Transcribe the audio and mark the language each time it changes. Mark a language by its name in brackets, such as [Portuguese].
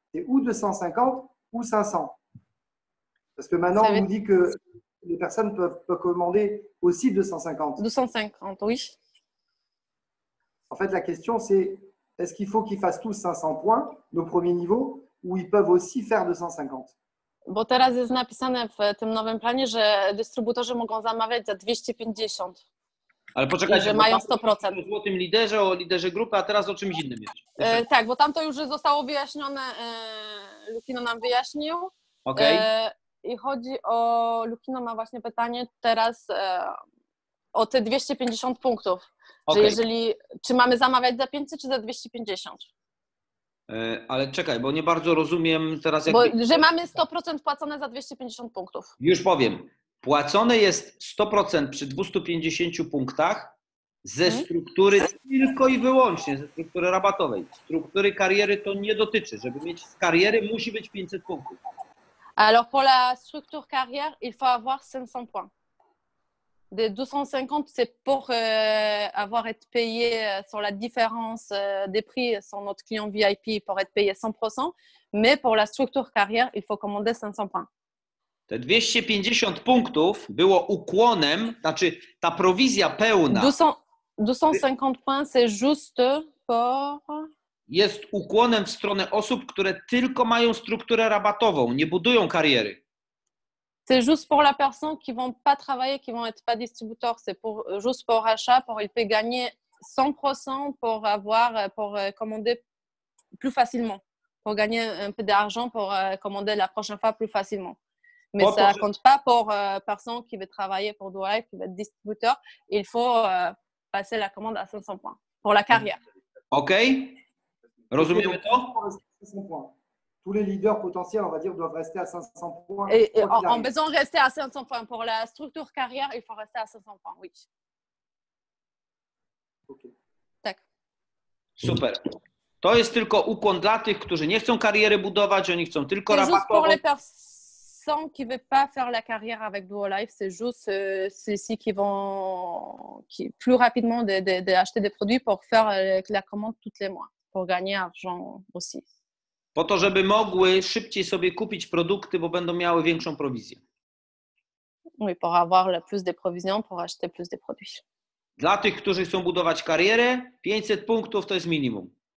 [French] C'est ou 250 ou 500. Parce que maintenant, on nous dit que les personnes peuvent commander aussi 250. 250, oui. En fait, la question, c'est est-ce qu'il faut qu'ils fassent tous 500 points, nos premiers niveaux, ou ils peuvent aussi faire 250? [Polish] Bo teraz jest napisane w tym nowym planie, że dystrybutorzy mogą zamawiać za 250. Ale poczekaj, że mają 100%. O tym liderze, o liderze grupy, a teraz o czymś innym jest. Tak, bo tam to już zostało wyjaśnione, Lukino nam wyjaśnił. Okay. I chodzi o, Lukino ma właśnie pytanie teraz o te 250 punktów. Okay. Że jeżeli, czy mamy zamawiać za 500 czy za 250? Ale czekaj, bo nie bardzo rozumiem teraz... Jak... Bo, że mamy 100% płacone za 250 punktów. Już powiem. Płacone jest 100% przy 250 punktach ze struktury tylko i wyłącznie, ze struktury rabatowej. Struktury kariery to nie dotyczy. Żeby mieć z kariery, musi być 500 punktów. [French] Alors pour la structure carrière, il faut avoir 500 points. De 250, c'est pour avoir été payé sur la différence des prix sur notre client VIP pour être payé 100%. Mais pour la structure carrière, il faut commander 500 points. [Polish] Te 250 punktów było ukłonem, znaczy ta prowizja pełna. [French] 250 points, c'est juste pour... [Polish] Jest ukłonem w stronę osób, które tylko mają strukturę rabatową, nie budują kariery. [French] C'est juste pour la personne qui ne va pas travailler, qui ne va pas être distributeur. C'est pour, juste pour achat, pour il peut gagner 100% pour avoir, pour commander plus facilement. Pour gagner un peu d'argent pour commander la prochaine fois plus facilement. Mais ça ne compte pas pour personne qui veut travailler pour Dual Life, qui veut être distributeur. Il faut passer la commande à 500 points pour la carrière. [Polish] OK. Rozumiemy to? 500 [French] points. Tous les leaders potentiels, on va dire, doivent rester à 500 points. Et en besoin de rester à 500 points. Pour la structure carrière, il faut rester à 500 points, oui. Okay. [Polish] Tak. Super. To jest tylko ukłon dla tych, którzy nie chcą kariery budować, oni chcą tylko rabatowo. [French] C'est juste pour les personnes qui ne veulent pas faire la carrière avec Duolife, c'est juste ceux-ci qui vont qui, plus rapidement acheter des produits pour faire la commande tous les mois, pour gagner argent aussi. [Polish] Po to, żeby mogły szybciej sobie kupić produkty, bo będą miały większą prowizję. [French] Oui, pour avoir le plus de provisions, pour acheter plus de produits. [Polish] Dla tych, którzy chcą budować karierę, 500 punktów to jest minimum.